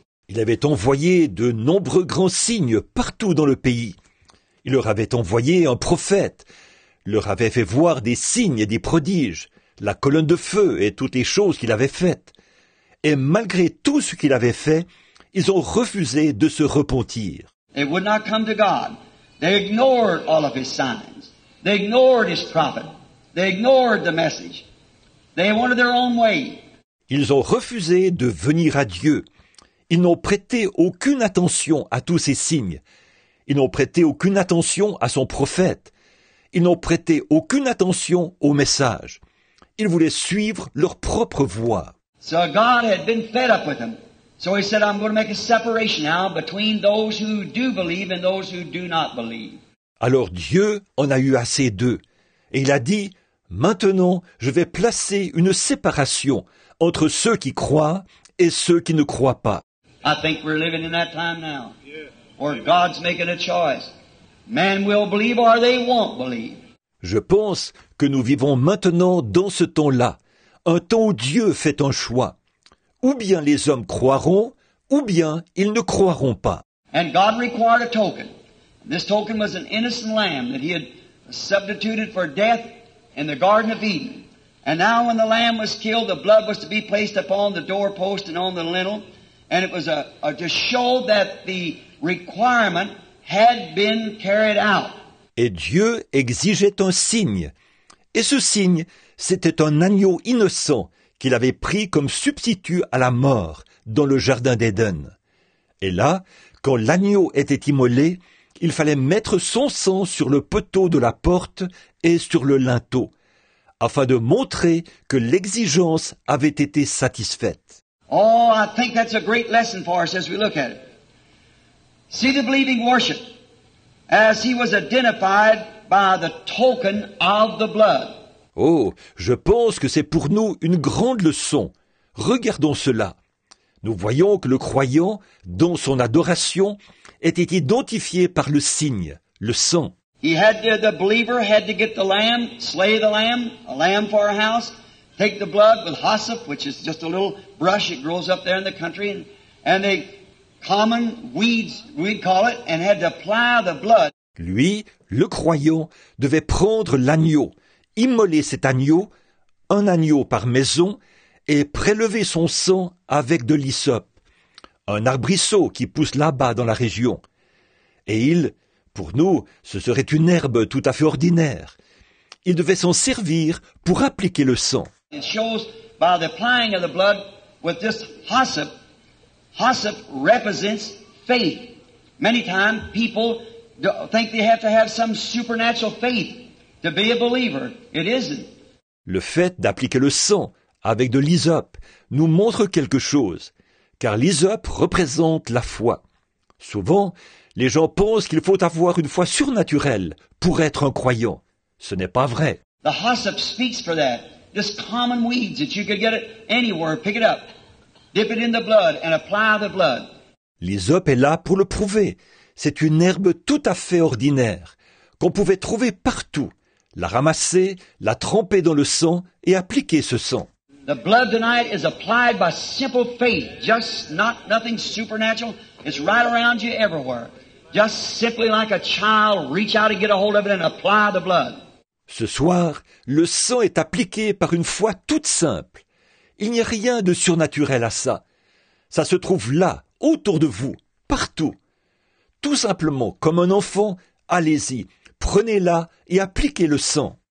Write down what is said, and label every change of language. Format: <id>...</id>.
<fr>Il avait envoyé de nombreux grands signes partout dans le pays. Il leur avait envoyé un prophète, leur avait fait voir des signes et des prodiges, la colonne de feu et toutes les choses qu'il avait faites. Et malgré tout ce qu'il avait fait, ils ont refusé de se repentir.</fr> <en>They would not come to God. They ignored all of his signs. They ignored his prophet. They ignored the message. They wanted their own way.</en> <fr>Ils ont refusé de venir à Dieu. Ils n'ont prêté aucune attention à tous ses signes. Ils n'ont prêté aucune attention à son prophète. Ils n'ont prêté aucune attention au message. Ils voulaient suivre leur propre voie.</fr> <en>So God had been fed up with them. So he said, I'm going to make a separation now between those who do believe and those who do not believe.</en> <fr>Alors Dieu en a eu assez d'eux. Et il a dit, « Maintenant, je vais placer une séparation entre ceux qui croient et ceux qui ne croient pas. »</fr> <en>I think we're living in that time now, where God's making a choice. Man will believe or they won't believe.</en> <fr>Je pense que nous vivons maintenant dans ce temps-là, un temps où Dieu fait un choix. Ou bien les hommes croiront, ou bien ils ne croiront pas.</fr> <en>And God required a token. This token was an innocent lamb that he had substituted for death in the Garden of Eden. And now when the lamb was killed, the blood was to be placed upon the doorpost and on the lintel. And it was to show that the requirement had been carried out.</en> <fr>Et Dieu exigeait un signe. Et ce signe, c'était un agneau innocent qu'il avait pris comme substitut à la mort dans le jardin d'Éden. Et là, quand l'agneau était immolé, il fallait mettre son sang sur le poteau de la porte et sur le linteau, afin de montrer que l'exigence avait été satisfaite.</fr> <en>Oh, I think that's a great lesson for us as we look at it. See the bleeding worship as he was identified by the token of the blood.</en> <fr>Oh, je pense que c'est pour nous une grande leçon. Regardons cela. Nous voyons que le croyant, dans son adoration, était identifié par le signe, le sang.</fr> <en>He had to, the believer had to get the lamb, slay the lamb, a lamb for a house, take the blood with hyssop, which is just a little brush that grows up there in the country, and they common weeds, we'd call it, and had to apply the blood.</en> <fr>Lui, le croyant, devait prendre l'agneau, immoler cet agneau, un agneau par maison, et prélever son sang avec de l'hyssope, un arbrisseau qui pousse là-bas dans la région. Et il, pour nous, ce serait une herbe tout à fait ordinaire. Il devait s'en servir pour appliquer le sang.</fr> <en>It shows by the applying of the blood with this hyssop. Hyssop represents faith. Many times people think they have to have some supernatural faith to be a believer. It isn't.</en> <fr>Le fait d'appliquer le sang avec de l'hysope nous montre quelque chose, car l'hysope représente la foi. Souvent, les gens pensent qu'il faut avoir une foi surnaturelle pour être un croyant. Ce n'est pas vrai.</fr> <en>The hyssop speaks for that. This common weeds that you could get it anywhere, pick it up. Dip it in the blood and apply the blood.</en> <fr>L'hysope est là pour le prouver. C'est une herbe tout à fait ordinaire, qu'on pouvait trouver partout. La ramasser, la tremper dans le sang et appliquer ce sang.</fr> <en>The blood tonight is applied by simple faith, just nothing supernatural. It's right around you everywhere. Just simply like a child, reach out and get a hold of it and apply the blood.</en> <fr>Ce soir, le sang est appliqué par une foi toute simple. Il n'y a rien de surnaturel à ça. Ça se trouve là, autour de vous, partout. Tout simplement, comme un enfant, allez-y, prenez-la et appliquez le sang.</fr>